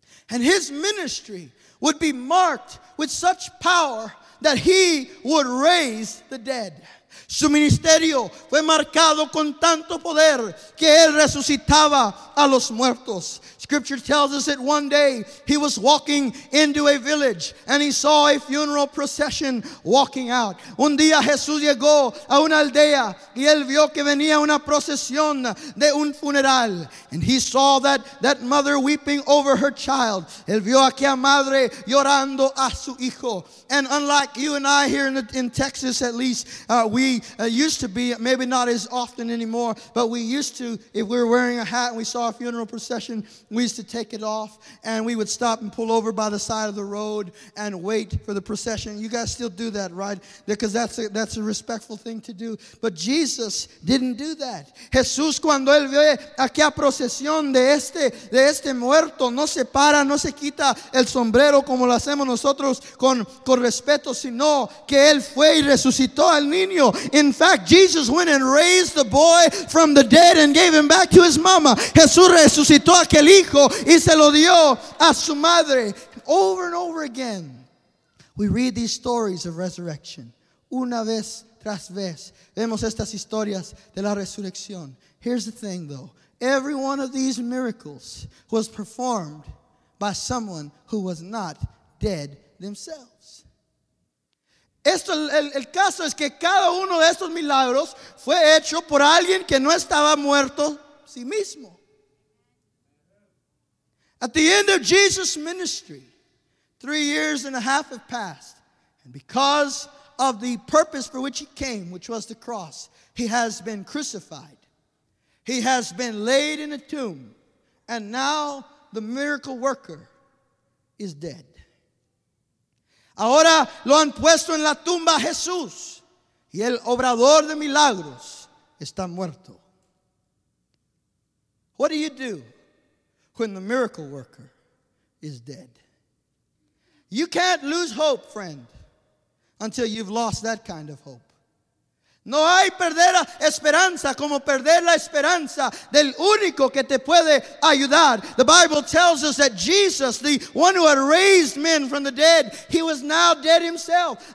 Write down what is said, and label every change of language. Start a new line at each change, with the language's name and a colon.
English: And his ministry would be marked with such power that he would raise the dead.
Spanish: Su ministerio fue marcado con tanto poder que él resucitaba a los muertos.
English: Scripture tells us that one day he was walking into a village and he saw a funeral procession walking out.
Spanish: Un día Jesús llegó a una aldea y él vio que venía una procesión de un funeral.
English: And he saw that mother weeping over her child.
Spanish: Él vio a aquella madre llorando a su hijo.
English: And unlike you and I here in Texas, at least, used to be, maybe not as often anymore, but we used to, if we were wearing a hat and we saw a funeral procession, we used to take it off and we would stop and pull over by the side of the road and wait for the procession. You guys still do that, right? Because that's a respectful thing to do. But Jesus didn't do that.
Spanish: Jesús, cuando él ve aquella procesión de este muerto, no se para, no se quita el sombrero como lo hacemos nosotros con respeto, sino que él fue y resucitó al niño.
English: In fact, Jesus went and raised the boy from the dead and gave him back to his mama.
Spanish: Jesús resucitó aquel hijo y se lo dio a su madre.
English: Over and over again, we read these stories of resurrection.
Spanish: Una vez tras vez, vemos estas historias de la resurrección.
English: Here's the thing, though. Every one of these miracles was performed by someone who was not dead themselves.
Spanish: El caso es que cada uno de estos milagros fue hecho por alguien que no estaba muerto sí mismo.
English: At the end of Jesus' ministry, 3 years and a half have passed. And because of the purpose for which he came, which was the cross, he has been crucified. He has been laid in a tomb. And now the miracle worker is dead.
Spanish: Ahora lo han puesto en la tumba a Jesús. Y el obrador de milagros está muerto.
English: What do you do when the miracle worker is dead? You can't lose hope, friend, until you've lost that kind of hope.
Spanish: No hay perder esperanza como perder la esperanza del único que te puede ayudar.
English: The Bible tells us that Jesus, the one who had raised men from the dead, he was now dead himself.